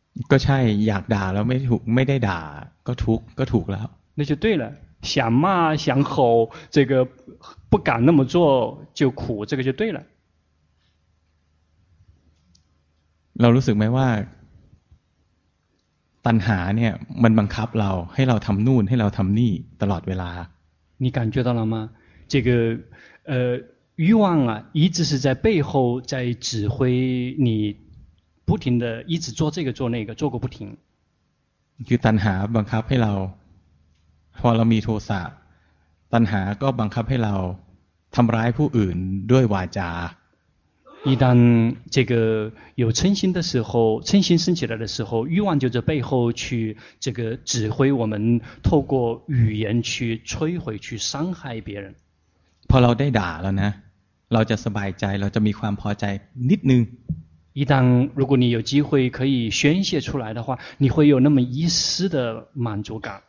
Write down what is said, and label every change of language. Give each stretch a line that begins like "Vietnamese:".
Thai: ก็ใช่อยากด่าแล้วไม่ถูกไม่ได้ด่าก็ทุกข์ก็ถูกแล้ว
Chinese: 那就对了想骂想吼这个不敢那么做就苦这个就对了
Thai: เรารู้สึกไหมว่าตัณหาเนี่ยมันบังคับเราให้เราทำนู่นให้เราทำนี่ตลอดเวลา
Chinese: 你感觉到了吗这个欲望啊一直是在背后在指挥你不停的一直做这个做那个做个不停
Thai: คือตัณหาบังคับให้เราพอเรามีโทสะตัณหาก็บังคับให้เราทำร้ายผู้อื่นด้วยวาจา
Chinese: 一旦这个有嗔心的时候嗔心升起来的时候欲望就在背后去这个指挥我们透过语言去摧毁去伤害别人
Thai: พอเราได้ด่าแล้วนะเราจะสบายใจเราจะมีความพอใจนิดนึง
Chinese: 一旦如果你有机会可以宣泄出来的话你会有那么一丝的满足感